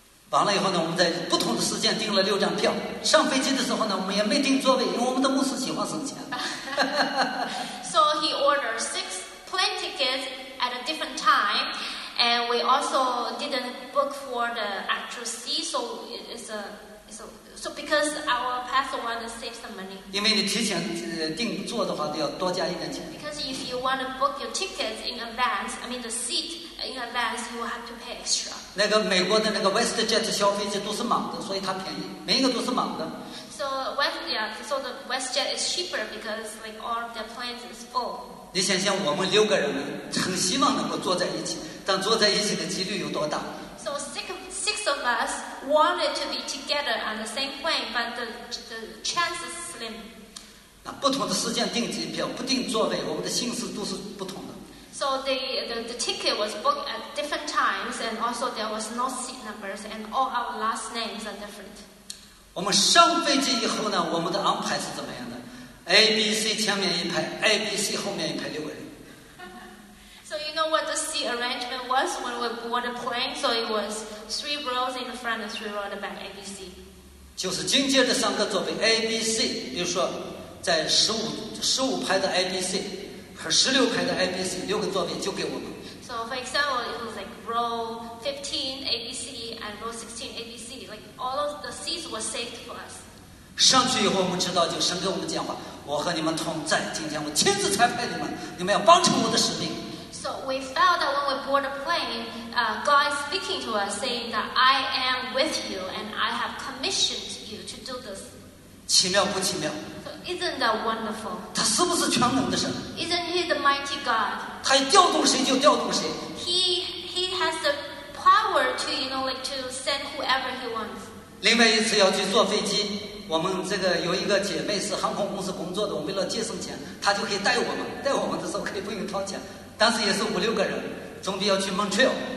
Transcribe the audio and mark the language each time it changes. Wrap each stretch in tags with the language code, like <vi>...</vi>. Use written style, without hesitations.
<zh>完了以后呢，我们在不同的时间订了六张票。上飞机的时候呢，我们也没订座位，因为我们的牧师喜欢省钱。</zh> <en>So he ordered six plane tickets at a different time, and we also didn't book for the actual seat. So it's because our pastor wanted to save some money.</en> <zh>因为你提前订座的话，都要多加一点钱。</zh> <en>Because if you want to book your tickets in advance, I mean the seat in advance, you will have to pay extra.</en> <zh>那个美国的那个 WestJet 小飞机都是满的，所以它便宜，每一个都是满的。</zh> <en>So the WestJet is cheaper because like all the planes is full.</en> <zh>你想想，我们六个人很希望能够坐在一起，但坐在一起的几率有多大</zh> <en>？So six of us wanted to be together on the same plane, but the chances slim.</en> <zh>那不同的时间订机票，不订座位，我们的心思都是不同的。</zh> <en>So the ticket was booked at different times, and also there was no seat numbers, and all our last names are different.</en> <zh>我们上飞机以后呢，我们的安排是怎么样的 ？A、B、C 前面一排 ，A、B、C 后面一排，六个人。</zh> <en>So you know what the seat arrangement was when we board the plane? So it was three rows in the front and three rows in the back, A、B、C.</en> <zh>就是紧接着三个座位 A、B、C， 比如说在十五排的 A、B、C 和16排的 A、B、C， 六个座位就给我们。</zh> <en>So for example, it was like row 15 A、B、C and row 16 A、B、C. Like all of the seats were saved for us.</en> <zh>上去以后，我们知道就神给我们讲话，我和你们同在。今天我亲自差派你们，你们要帮成我的使命。</zh> <en>So we felt that when we board a plane, God is speaking to us, saying that I am with you and I have commissioned you to do this.</en> <zh>奇妙不奇妙</zh> <en>？So isn't that wonderful?</en> <zh>他是不是全能的神</zh> <en>？Isn't he the mighty God?</en> <zh>他调动谁就调动谁。</zh> <en>He has the power to, you know, like to send whoever he wants.</en> <zh>另外一次要去坐飞机，我们这个有一个姐妹是航空公司工作的，我们为了节省钱，她就可以带我们。带我们的时候可以不用掏钱，但是也是五六个人，总比要去 Montreal.</zh>